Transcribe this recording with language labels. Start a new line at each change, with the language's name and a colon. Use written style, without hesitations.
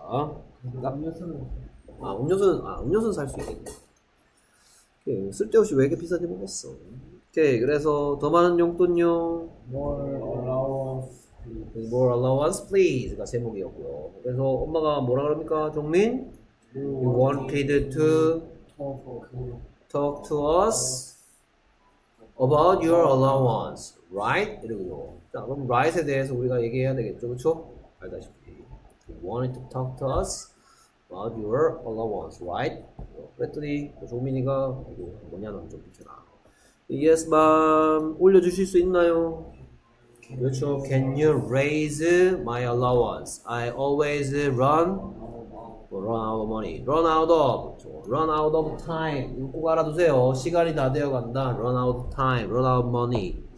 Korean: 그러니까, 음료수는. 음료수는 살 수 있겠네. 쓸데없이 왜 이렇게 비싼지 모르겠어. 오케이, 그래서 더 많은 용돈요.
English: More allowance, please.
Korean: 가 제목이었고요. 그래서 엄마가 뭐라 그럽니까, 종민?
English: You wanted to talk to us about your allowance, right?
Korean: 이러고요. 자, 그럼 right에 대해서 우리가 얘기해야 되겠죠, 그쵸? 알다시피
English: You wanted to talk to us about your allowance, right?
Korean: 그랬더니 종민이가 이거 뭐냐, 너 좀 비켜라.
English: Yes, ma'am.
Korean: 올려주실 수 있나요? 그렇죠.
English: Can you raise my allowance? I always run out of money. Run out of.
Korean: 그렇죠.
English: Run out of time.
Korean: 이거 꼭 알아두세요. 시간이 다 되어 간다.
English: Run out of time. Run out of money.